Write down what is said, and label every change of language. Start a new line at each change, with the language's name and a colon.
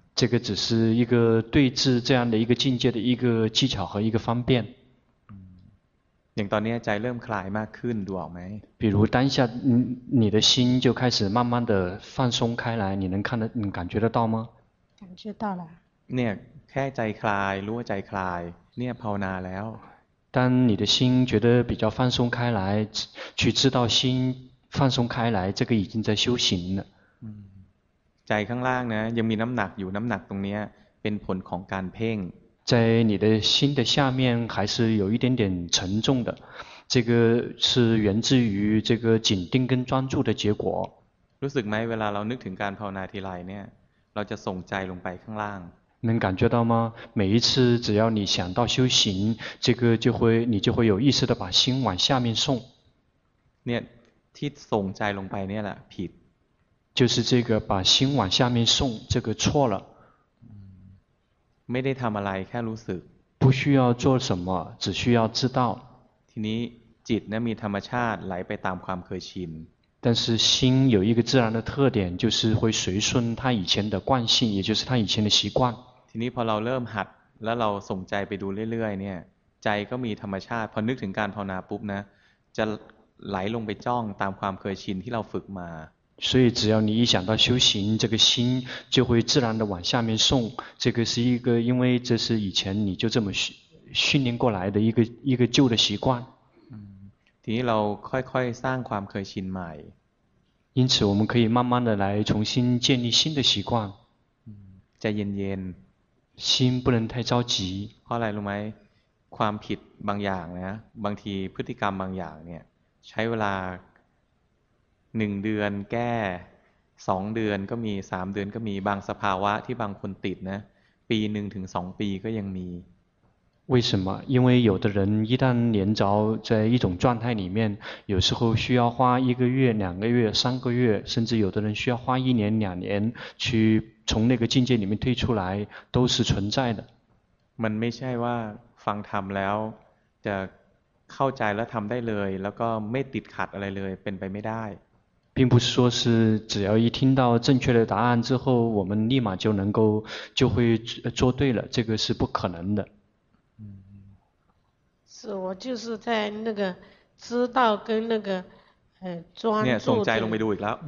Chinese: 这个只是一个对治这样的一个境界的一个技巧和一个方便
Thai: อย่างตอนนี้ใจเริ่มคลายมากขึ้นดูออกไหม
Chinese: 比如当下你的心就开始慢慢的放松开来你能看得你感觉得到吗感觉到了
Thai: เนี่ยแค่ใจคลายรู้ว่าใจคลายเนี่ยภาวนาแล้ว
Chinese: 当你的心觉得比较放松开来去知道心放松开来这个已经在修行了
Thai: ใจข้างล่างนะยังมีน้ำหนักอยู่น้ำหนักตรงนี้เป็นผลของการเพ่ง
Chinese: 在你的心的下面还是有一点点沉重的这个是源自于这个紧盯跟专注的结果
Thai: รู้สึกไหมเวลาเรานึกถึงการภาวนาทีไรเนี่ยเราจะส่งใจลงไปข้างล่าง
Chinese: 能感觉到吗每一次只要你想到修行这个就会你就会有意识的把心往下面送
Thai: เนี่ยที่ส่งใจลงไปเนี่ยแหละผิด
Chinese: 就是这个把心往下面送这个错了
Thai: ไม่ได้ทำอะไรแค่รู้สึก
Chinese: 不需要做什么只需要知道
Thai: ทีนี้จิตเนี่ยมีธรรมชาติไหลไปตามความเคยชิน
Chinese: 但是心有一个自然的特点就是会随顺他以前的惯性也就是他以前的习惯
Thai: ทีนี้พอเราเริ่มหัดแล้วเราส่งใจไปดูเรื่อยๆเนี่ยใจก็มีธรรมชาติพอนึกถึงการภาวนาปุ๊บนะจะไหลลงไปจ้องตามความเคยชินที่เราฝึกมา
Chinese: 所以只要你一想到修行，这个心就会自然的往下面送。这个是一个，因为这是以前你就这么训练过来的一个旧的习惯。
Thai: ทีเราค่อยๆสร้างความเคยชินใหม่
Chinese: 因此我们可以慢慢的来重新建立新的习惯
Thai: ใจเย็น
Chinese: ๆ心不能太着急
Thai: เพราะอะไรรู้ไหมความผิดบางอย่างนะบางทีพฤติกรรมบางอย่างเนี่ยใช้เวลา1เดือนแก้2เดือนก็มี3เดือนก็มีบางสภาวะที่บางคนติดนะปีหนึ่งถึง2ปีก็ยังมี
Chinese: 为什么？因为有的人一旦连着在一种状态里面，有时候需要花一个月、两个月、三个月，甚至有的人需要花一年、两年去从那个境界里面退出来，都是存在的。
Thai: มันไม่ใช่ว่าฟังธรรมแล้วจะเข้าใจแล้วทำได้เลยแล้วก็ไม่ติดขัดอะไรเลยเป็นไปไม่ได้
Chinese: 并不是说是只要一听到正确的答案之后，我们立马就能够就会做对了，这个是不可能的。是我就是在那个知道跟那个专注的。你送斋龙没读一了。